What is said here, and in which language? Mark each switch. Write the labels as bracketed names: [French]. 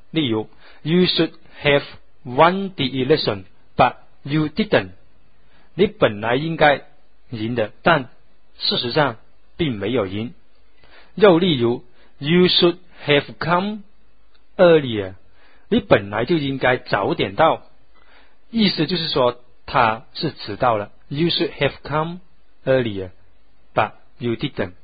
[English] 例如 ，You should have won the election, but you didn't。 [Chinese] 你本来应该赢的，但事实上并没有赢。 [English] 又例如 ，You should have come earlier, [Chinese] 你本来就应该早点到。意思就是说他是迟到了。 [English] You should have come earlier, but you didn't.